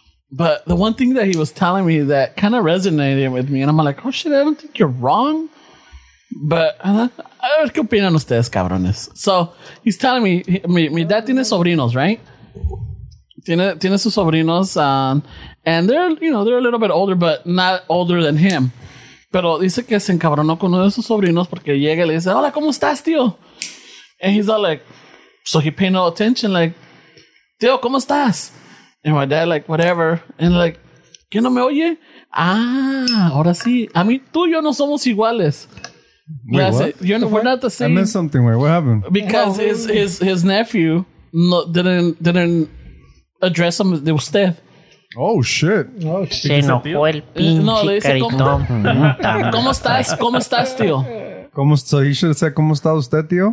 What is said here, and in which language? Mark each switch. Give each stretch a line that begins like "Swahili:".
English: But the one thing that he was telling me that kind of resonated with me, and I'm like, oh shit, I don't think you're wrong. But,
Spanish: ¿qué opinan ustedes, cabrones?
English: So, he's telling me,
Spanish: mi dad tiene sobrinos,
English: right?
Spanish: Tiene sus sobrinos,
English: and they're, you know, they're a little bit older, but not older than him.
Spanish: Pero dice que se encabronó con uno de sus sobrinos porque llega y le dice, hola, ¿cómo estás, tío?
English: And he's all like, so he paid no attention, like,
Spanish: tío, ¿cómo estás?
English: And my dad, like, whatever. And like,
Spanish: ¿qué no me oye? Ah, ahora sí. A mí, tú y yo no somos iguales.
English: Wait, yeah, what? We're not the same. I missed something. Where? What happened? Because his nephew didn't address him with usted. Oh shit!
Spanish: Se enojó el pinche carito. ¿Cómo estás? ¿Cómo estás, tío? ¿Cómo está?
English: He should say
Spanish: ¿Cómo está usted, tío?